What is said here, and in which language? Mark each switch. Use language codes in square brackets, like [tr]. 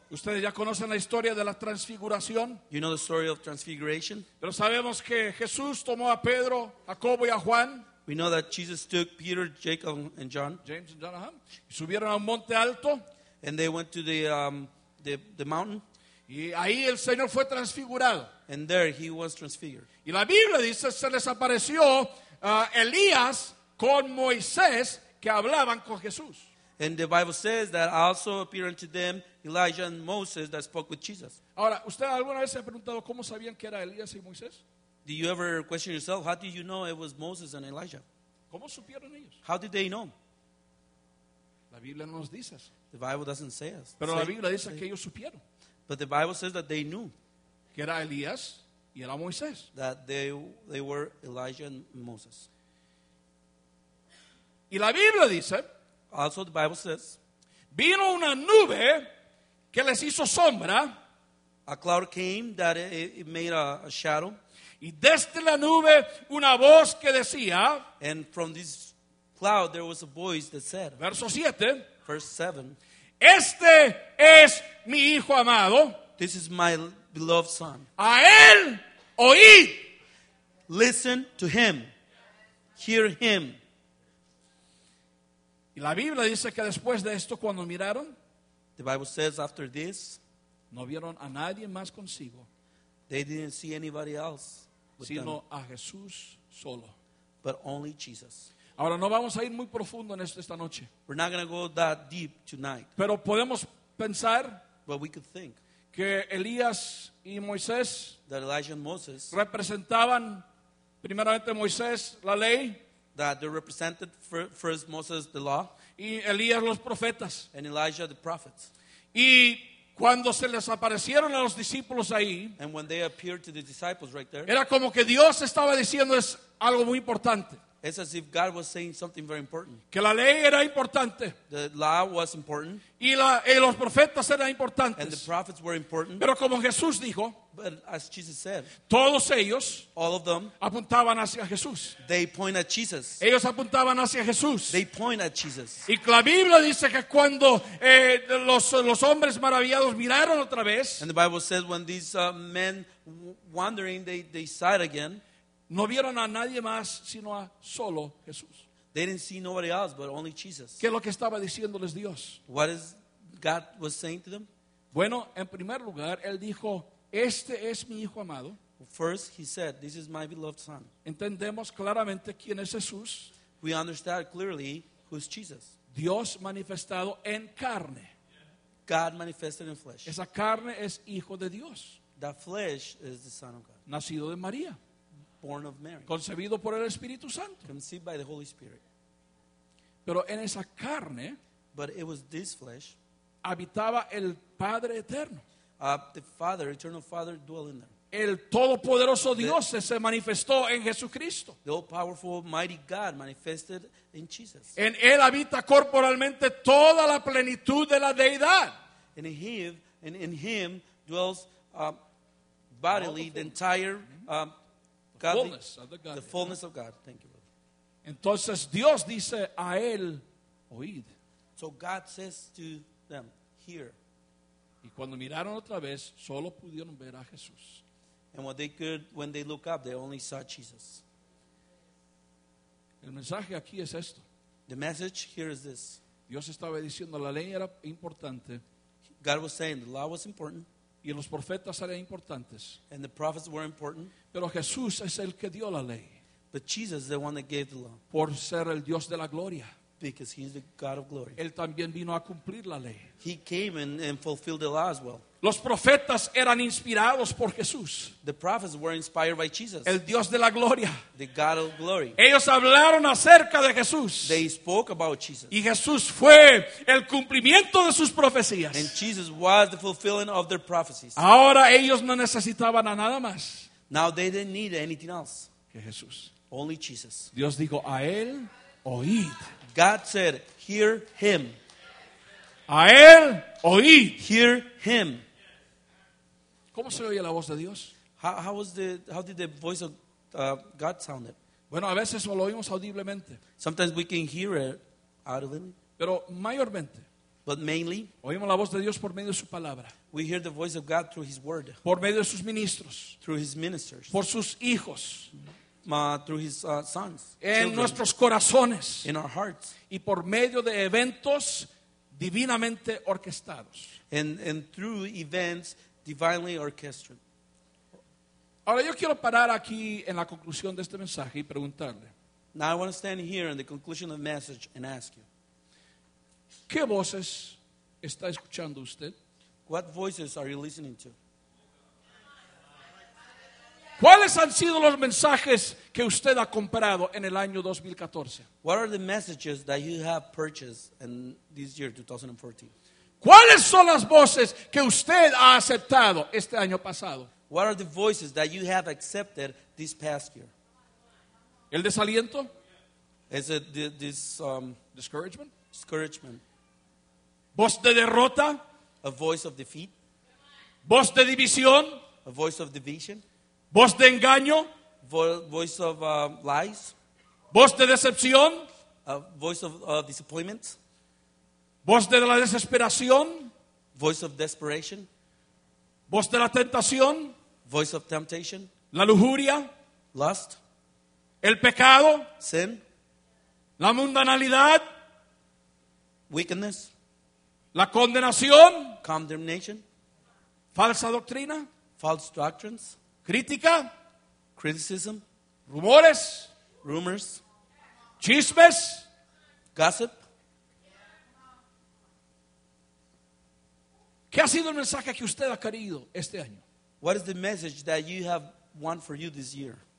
[es] Ustedes ya conocen la historia de la transfiguración. [en] You know the story of transfiguration. [es] Pero sabemos que Jesús tomó a Pedro, Jacobo y a Juan. [en] We know that Jesus took Peter, Jacob, and John. James and Jonathan. [es] Y subieron a un monte alto. [en] And they went to the mountain. [es] Y ahí el Señor fue transfigurado. [en] And there he was transfigured. [es] Y la Biblia dice se les apareció Elías con Moisés que hablaban con Jesús. [en] And the Bible says that also appeared unto them Elijah and Moses that spoke with Jesus. [es] Ahora, ¿usted alguna vez se ha preguntado cómo sabían que era Elías y Moisés? [en] Do you ever question yourself, how did you know it was Moses and Elijah? [es] ¿Cómo supieron ellos? [en] How did they know? [es] La Biblia no nos dice. [en] The Bible doesn't say us. [es] Pero la Biblia dice que ellos supieron. [en] But the Bible says that they knew. [es] Que era Elías y era Moisés. [en] That they were Elijah and Moses. [es] Y la Biblia dice. [en] Also the Bible says. [es] Vino una nube que les hizo sombra. [en] A cloud came that it made a shadow. [es] Y desde la nube una voz que decía. [en] And from this cloud there was a voice that said. [es] Verso 7. [en] Verse 7. [es] Este es mi hijo amado. [en] This is my beloved son. [es] A él oíd. [en] Listen to him. Hear him. [es] Y la Biblia dice que después de esto, cuando miraron, [en] the Bible says after this, [es] no vieron a nadie más consigo. [en] They didn't see anybody else with [es] sino [en] them. [es] A Jesús solo. [en] But only Jesus. [es] Ahora no vamos a ir muy profundo en esta noche. [en] We're not going to go that deep tonight. [es] Pero podemos pensar, [en] but we could think, [es] que Elías y Moisés, [en] that Elijah and Moses, [es] representaban primeramente Moisés, la ley, [en] that they represented first Moses, the law, [es] y Elías, los profetas, [en] and Elijah, the prophets. [es] Y cuando se les aparecieron a los discípulos ahí, [en] and when they appeared to the disciples right there, [es] era como que Dios estaba diciendo es algo muy importante. [en] It's as if God was saying something very important. [es] Que la ley era importante. [en] The law was important. [es] Y los profetas eran importantes. [en] And the prophets were important. [es] Pero como Jesús dijo, [en] but as Jesus said, [es] todos ellos, [en] all of them, [es] apuntaban hacia Jesús. [en] They point at Jesus. [es] Ellos apuntaban hacia Jesús. [en] They point at Jesus. [es] Y la Biblia dice que cuando los hombres maravillados miraron otra vez, [en] and the Bible says when these men wondering, they sighed again. [es] No vieron a nadie más sino a solo Jesús. [en] They didn't see nobody else but only Jesus. [es] ¿Qué es lo que estaba diciéndoles Dios? [en] What is God was saying to them? [es] Bueno, en primer lugar, él dijo, este es mi hijo amado. [en] First, he said, this is my beloved son. [es] Entendemos claramente quién es Jesús. [en] We understand clearly who is Jesus. [es] Dios manifestado en carne. [en] God manifested in flesh. [es] Esa carne es hijo de Dios. [en] That flesh is the son of God. [es] Nacido de María. [en] Born of Mary. [es] Concebido por el Espíritu Santo. [en] Conceived by the Holy Spirit. [es] Pero en esa carne, [en] but it was this flesh, [es] habitaba el Padre Eterno. [en] The Father, Eternal Father, dwelt in there. [es] El Todopoderoso Dios se manifestó en Jesucristo. [en] The all-powerful, mighty God manifested in Jesus. [es] En él habita corporalmente toda la plenitud de la Deidad. [en] In him dwells bodily the entire Godly, the fullness of God. Thank you, brother. [es] Entonces Dios dice a él, oíd. [en] So God says to them, hear. [es] Y cuando miraron otra vez, solo pudieron ver a Jesús. [en] And what they could, when they look up, they only saw Jesus. [es] El mensaje aquí es esto. [en] The message here is this. [es] Dios estaba diciendo la ley era importante. [en] God was saying the law was important. [es] Y los profetas eran importantes. [en] And the prophets were important. [es] Pero Jesús es el que dio la ley. [en] But Jesus is the one that gave the law. [es] Por ser el Dios de la gloria. [en] Because he is the God of glory. [es] Él también vino a cumplir la ley. [en] He came and fulfilled the law as well. [es] Los profetas eran inspirados por Jesús. [en] The prophets were inspired by Jesus. [es] El Dios de la gloria. [en] The God of glory. [es] Ellos hablaron acerca de Jesús. [en] They spoke about Jesus. [es] Y Jesús fue el cumplimiento de sus profecías. [en] And Jesus was the fulfilling of their prophecies. [es] Ahora ellos no necesitaban a nada más. [en] Now they didn't need anything else. [es] Que Jesús. [en] Only Jesus. [es] Dios dijo a él, oíd. [en] God said, hear him. [es] A él, oíd. [en] Hear him. [es] ¿Cómo se oye la voz de Dios? [en] How did the voice of God sound? [es] Bueno, a veces lo oímos audiblemente. [en] Sometimes we can hear it audibly. [es] Pero mayormente. [en] But mainly, [es] oímos la voz de Dios por medio de su palabra. [en] We hear the voice of God through His word. [es] Por medio de sus ministros. [en] Through His ministers. [es] Por sus hijos. [en] Through His sons. [es] En children, nuestros corazones. [en] In our hearts. [es] Y por medio de eventos divinamente orquestados. [en] And through events divinely orchestrated. [es] Ahora yo quiero parar aquí en la conclusión de este mensaje y preguntarle. [en] Now I want to stand here in the conclusion of the message and ask you. [es] ¿Qué voces está escuchando usted? [en] What voices are you listening to? [es] ¿Cuáles han sido los mensajes que usted ha comprado en el año 2014? [en] What are the messages that you have purchased in this year 2014? [es] ¿Cuáles son las voces que usted ha aceptado este año pasado? [en] What are the voices that you have accepted this past year? [es] ¿El desaliento? [en] Is it this discouragement? Discouragement. [es] ¿Voz de derrota? [en] A voice of defeat. [es] ¿Voz de división? [en] A voice of division. [es] ¿Voz de engaño? [en] Voice of lies. [es] ¿Voz de decepción? [en] A voice of disappointment. [es] ¿Voz de la desesperación? [en] Voice of desperation. [es] ¿Voz de la tentación? [en] Voice of temptation. [es] ¿La lujuria? [en] Lust. [es] ¿El pecado? [en] Sin. [es] ¿La mundanalidad? [en] Wickedness. [es] ¿La condenación? [en] Condemnation. [es] ¿Falsa doctrina? [en] False doctrines. [es] ¿Crítica? [en] Criticism. [es] ¿Rumores? [en] Rumors. [es] ¿Chismes? [en] Gossip. [es] ¿Qué ha sido el mensaje que usted ha querido este año? [en] What is the message that you have won for you this year?